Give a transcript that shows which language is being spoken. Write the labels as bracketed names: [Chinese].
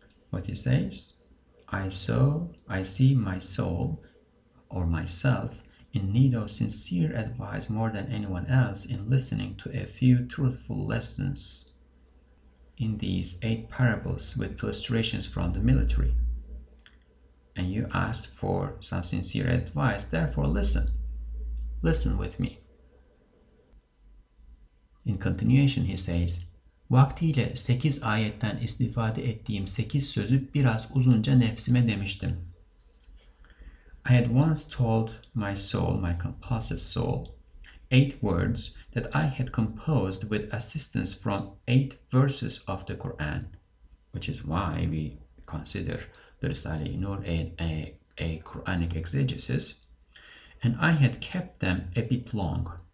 [English] What he says, I see my soul or myself in need of sincere advice more than anyone else in listening to a few truthful lessons in these 8 parables with illustrations from the military. And you ask for some sincere advice, therefore listen. Listen with me. In continuation, he says, [Turkish] vaktiyle 8 ayetten istifade ettiğim 8 sözü biraz uzunca nefsime demiştim. [English] I had once told my soul, my compulsive soul, 8 words that I had composed with assistance from 8 verses of the Quran, which is why we consider the Risale-i Nur a Quranic exegesis, and I had kept them a bit long.